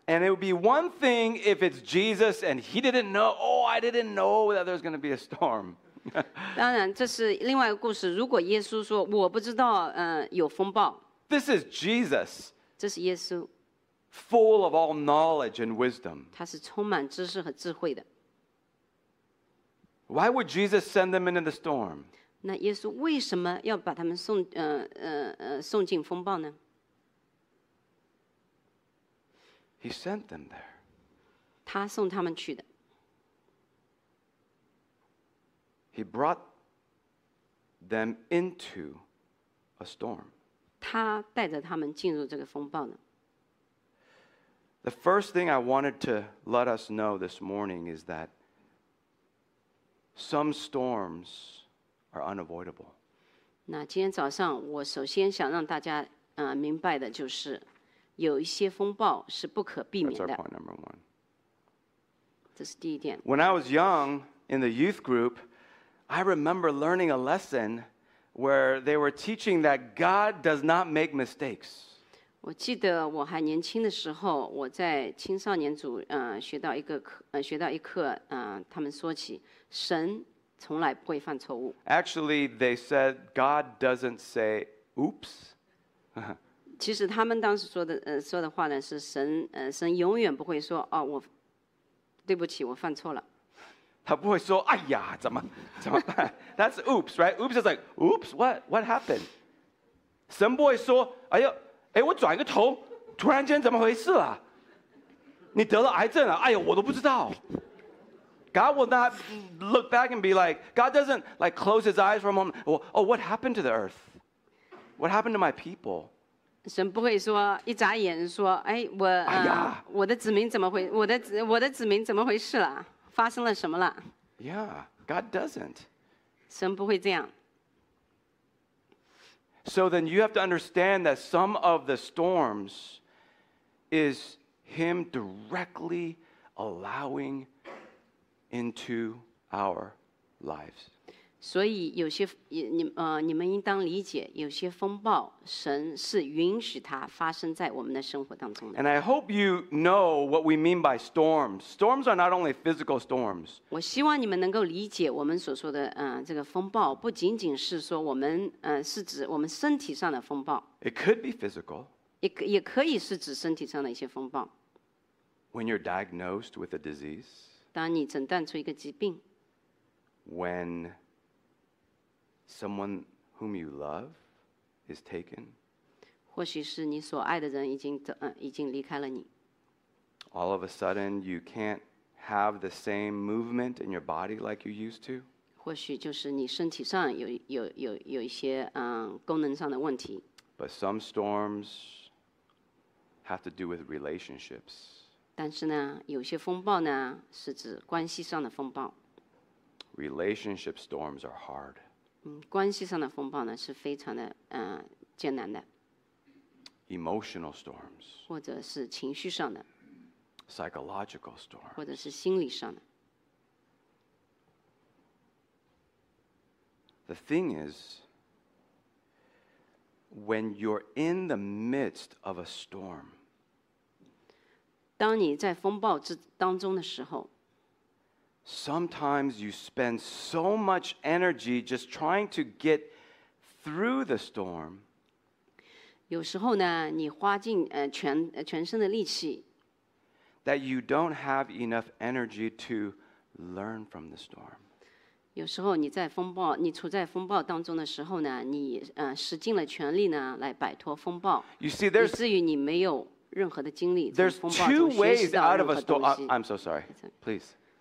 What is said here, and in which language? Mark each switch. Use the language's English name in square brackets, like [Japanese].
[English] And it would be one thing if it's Jesus and he didn't know, I didn't know that there's going to be a storm. [Chinese] 当然，这是另外一个故事。如果耶稣说我不知道，有风暴。 [English] This is Jesus. [Chinese] 这是耶稣。 [English] Full of all knowledge and wisdom. [Chinese] 他是充满知识和智慧的。 [English] Why would Jesus send them into the storm? [Chinese] 那耶稣为什么要把他们送进风暴呢？ [English] He sent them there. [Chinese] 他送他们去的。 [English] He brought them into a storm. [Chinese] 他带着他们进入这个风暴呢。 [English] The first thing I wanted to let us know this morning is that some storms are unavoidable. [Chinese] 那今天早上我首先想让大家明白的就是有一些风暴是不可避免的。 [English] That's our point number one. [Chinese] 这是第一点。 [English] When I was young in the youth group, I remember learning a lesson where they were teaching that God does not make mistakes. [Chinese] 我记得我还年轻的时候，我在青少年组学到一课，他们说起神从来不会犯错误。 [English] Actually, they said God doesn't say oops. [Chinese] 其实他们当时说的话呢是神永远不会说我对不起，我犯错了。他不会说哎呀怎么办？ [English] That's oops, right? Oops is like oops. What happened? [Chinese] 神不会说哎呦。哎，我转一个头，突然间怎么回事啊？你得了癌症了？哎呀，我都不知道。 [English] God will not look back and be like, God doesn't like close his eyes for a moment. What happened to the earth? What happened to my people? [Chinese] 神不会说一眨眼说，哎，我哎呀，我的子民怎么回，我的子民怎么回事了？发生了什么了 [English] ？Yeah, God doesn't. [Chinese] 神不会这样。 [English] So then you have to understand that some of the storms is him directly allowing into our lives. [Chinese] 所以有些你们应当理解，有些风暴神是允许它发生在我们的生活当中的。 [English] And I hope you know what we mean by storms. Storms are not only physical storms. [Chinese] 我希望你们能够理解我们所说的这个风暴不仅仅是说我们是指我们身体上的风暴。 [English] It could be physical. [Chinese] 也可以是指身体上的一些风暴。 [English] When you're diagnosed with a disease. [Chinese] 当你诊断出一个疾病。 [English] When Someone whom you love is taken. [Chinese] 或许是你所爱的人已经离开了你。 [English] All of a sudden, you can't have the same movement in your body like you used to. [Chinese] 或许就是你身体上有一些功能上的问题。 [English] But some storms have to do with relationships. [Chinese] 但是呢，有些风暴呢是指关系上的风暴。 [English] Relationship storms are hard. [Chinese] 关系上的风暴呢是非常的艰难的。 [English] Emotional storms. [Chinese] 或者是情绪上的。 [English] Psychological storms. [Chinese] 或者是心理上的。 [English] The thing is, when you're in the midst of a storm. [Chinese] 当你在风暴之当中的时候。 [English] Sometimes you spend so much energy just trying to get through the storm. [Chinese] 有时候呢，你花尽全身的力气。 [English] That you don't have enough energy to learn from the storm. [Chinese] 有时候你处在风暴当中的时候呢，你使尽了全力呢来摆脱风暴。 [English] You see, there's [Chinese] 以至于你没有任何的精力。 [English] There's two ways out of a storm. I'm so sorry. Please.